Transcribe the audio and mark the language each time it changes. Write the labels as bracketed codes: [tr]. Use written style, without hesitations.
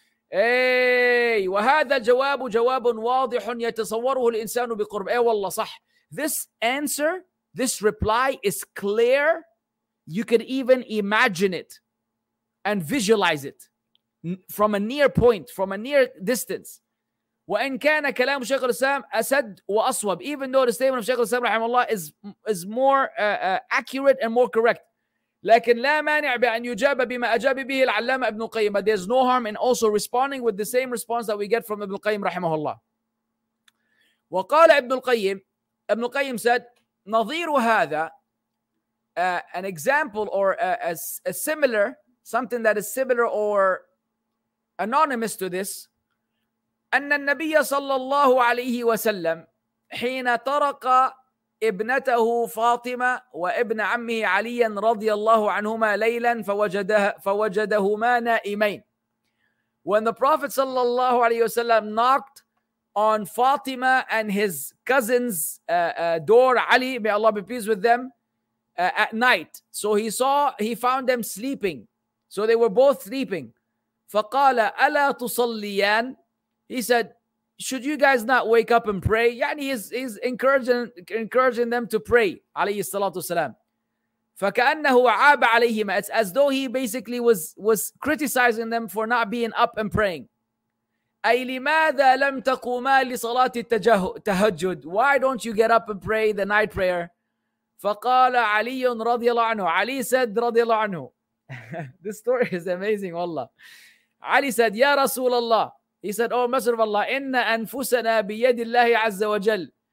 [ar] Hey, وهذا الجواب جواب واضح يتصوره الإنسان بقرب. أي والله صح. [en] This answer, this reply is clear. You can even imagine it and visualize it from a near point, from a near distance. [ar] وإن كان كلام شيخ الإسلام أسد وأصوب. [en] Even though the statement of شيخ الإسلام رحمه الله is more accurate and more correct. [ar] لكن لا مانع بأن يجاب بما أجاب به العلامة ابن القيم. [en] But there's no harm in also responding with the same response that we get from ابن القيم رحمه الله. [ar] وقال ابن القيم, ابن القيم said, نظير هذا, [en] an example or a similar, something that is similar or anonymous to this, [ar] أن النبي صلى الله عليه وسلم حين طرق ابنته فاطمة وابن عمه عليا رضي الله عنهما ليلا فوجدهما نائمين. [en] When the Prophet صلى الله عليه وسلم knocked on Fatima and his cousin's door, Ali, may Allah be pleased with them, at night. So he found them sleeping. So they were both sleeping. [ar] فقال ألا تصليان. [en] He said, should you guys not wake up and pray? يعني he's encouraging them to pray, عليه الصلاة والسلام. [ar] فكأنه عاب عليهما. [en] It's as though he basically was criticizing them for not being up and praying. [ar] أي لماذا لم تقوما لصلاة التهجد. [en] Why don't you get up and pray the night prayer? [ar] فقال علي رضي الله عنه. علي said رضي الله عنه. [en] This story is amazing, والله. علي said, [ar] يا رسول الله. [en] He said, oh, Messenger of Allah, [ar] inna anfusana biyadi Allah azza wa jal.